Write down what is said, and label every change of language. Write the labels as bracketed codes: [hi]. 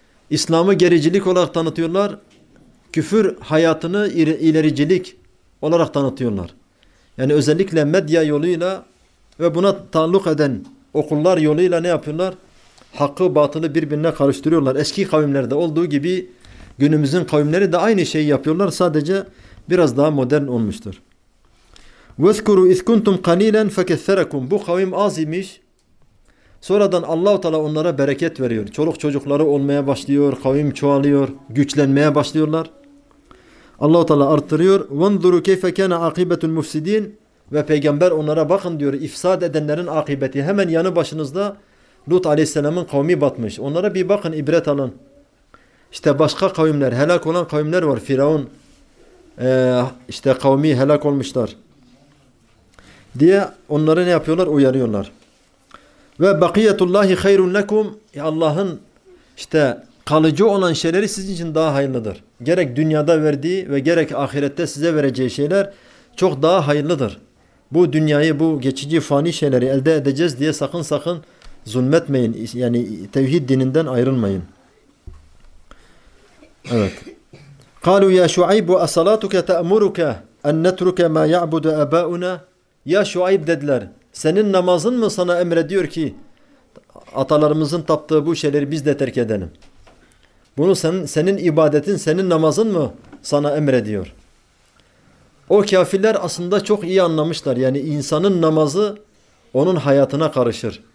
[tr] İslam'ı gericilik olarak tanıtıyorlar. Küfür hayatını ilericilik olarak tanıtıyorlar. Yani özellikle medya yoluyla ve buna taalluk eden okullar yoluyla ne yapıyorlar? Hakkı batılı birbirine karıştırıyorlar. Eski kavimlerde olduğu gibi günümüzün kavimleri de aynı şeyi yapıyorlar. Sadece biraz daha modern olmuştur. [ar] وَذْكُرُوا اِذْ كُنْتُمْ قَن۪يلًا فَكَثَّرَكُمْ [tr] Bu kavim az imiş. Sonradan Allah-u Teala onlara bereket veriyor. Çoluk çocukları olmaya başlıyor. Kavim çoğalıyor. Güçlenmeye başlıyorlar. Allah-u Teala arttırıyor. [ar] وَنْذُرُوا كَيْفَ كَانَ عَقِبَةُ الْمُفْسِد۪ينَ [tr] Ve peygamber onlara bakın diyor. İfsad edenlerin akıbeti. Hemen yanı başınızda Lut Aleyhisselam'ın kavmi batmış. Onlara bir bakın, ibret alın. İşte başka kavimler, helak olan kavimler var. Firavun, işte kavmi helak olmuşlar diye onları ne yapıyorlar? Uyarıyorlar. [ar] Ve bakiyetullahi hayrun lekum. [tr] Allah'ın işte kalıcı olan şeyleri sizin için daha hayırlıdır. Gerek dünyada verdiği ve gerek ahirette size vereceği şeyler çok daha hayırlıdır. Bu dünyayı, bu geçici fani şeyleri elde edeceğiz diye sakın sakın zulmetmeyin. Yani tevhid dininden ayrılmayın. Evet. [ar] قالوا يا شعيب وصلاتك تأمرك أن نترك ما يعبد آباؤنا يا شعيب [tr] dediler. Senin namazın mı sana emrediyor ki atalarımızın taptığı bu şeyleri biz de terk edelim? Bunu senin ibadetin, senin namazın mı sana emrediyor? O kafirler aslında çok iyi anlamışlar. Yani insanın namazı onun hayatına karışır.